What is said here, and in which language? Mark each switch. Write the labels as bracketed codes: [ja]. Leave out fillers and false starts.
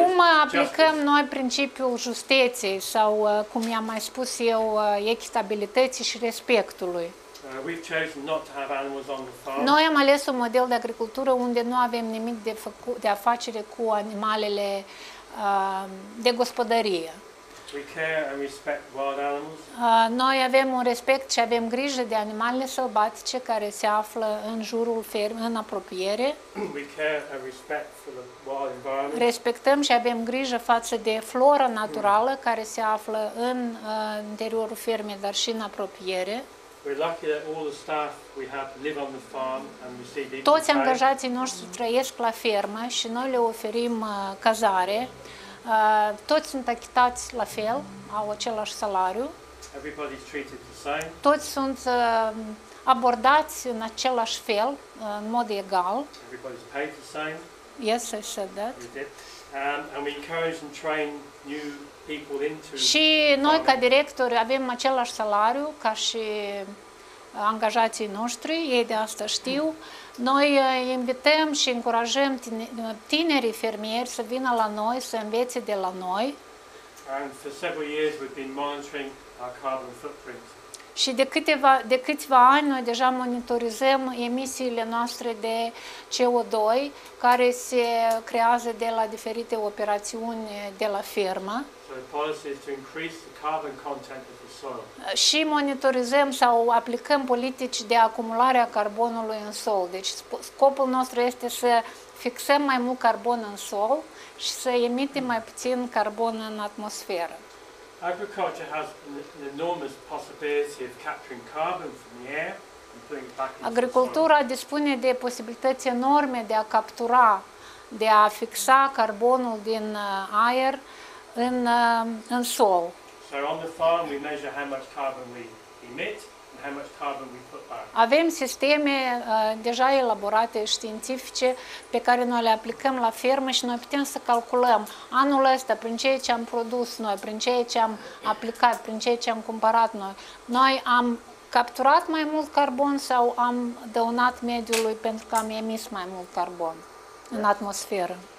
[ro] Cum aplicăm noi principiul justiției sau cum i-am mai spus eu echitabilității și respectului? [en] We've chosen not to have animals on the farm. [ro] Noi am ales un model de agricultură unde nu avem nimic de făcut de afacere cu animalele de gospodărie. [en] We care and respect wild animals. [ro] Noi avem un respect și avem grijă de animalele sălbatice care se află în jurul ferm, în apropiere. [en] We care and respect for the wild environment. [ro] Respectăm și avem grijă față de flora naturală care se află în interiorul fermei, dar și în apropiere. [en] We're lucky that all the staff we have live on the farm and receive decent pay. [ro] Toți angajații noștri trăiesc la fermă și noi le oferim cazare. Toți sunt achitați la fel, au același salariu. [en] Everybody's treated the same. [ro] Toți sunt abordați în același fel, în mod egal. [en] Everybody's paid the same. Yes, I said that. And we encourage and train new people into. [ro] Și noi ca directori avem același salariu ca și angajații noștri, ei de asta știu. Noi invităm și încurajăm tinerii fermieri să vină la noi, să învețe de la noi. [en] And for several years we've been monitoring our carbon footprint. [ro] Și de câțiva ani noi deja monitorizăm emisiile noastre de CO2 care se creează de la diferite operațiuni de la fermă. [en] So the policy is to increase the carbon content. [ro] Și monitorizăm sau aplicăm politici de acumulare a carbonului în sol. Deci scopul nostru este să fixăm mai mult carbon în sol și să emitem mai puțin carbon în atmosferă. [en] Agriculture has an enormous possibility of capturing carbon from the air and putting it back into. [ro] Agricultura dispune de posibilități enorme de a captura, de a fixa carbonul din aer în sol. [en] So on the farm we measure how much carbon we emit and how much carbon we put back. [ro] Avem sisteme deja elaborate științifice pe care noi le aplicăm la fermă și noi putem să calculăm anul ăsta prin ceea ce am produs noi, prin ceea ce am aplicat, prin ceea ce am cumpărat noi. Noi am capturat mai mult carbon sau am dăunat mediului pentru că am emis mai mult carbon în atmosferă.